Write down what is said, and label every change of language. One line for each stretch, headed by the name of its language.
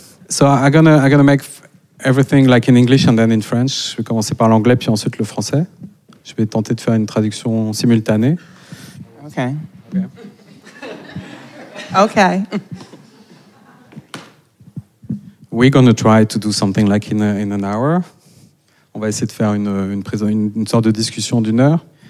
English: So I'm gonna make everything like in English and then in French.
French: Je vais commencer par l'anglais puis ensuite le français. Je vais tenter de faire une traduction simultanée.
English: Okay. We're gonna try to do something like in an hour.
French: On va essayer de faire une sorte de discussion d'une heure.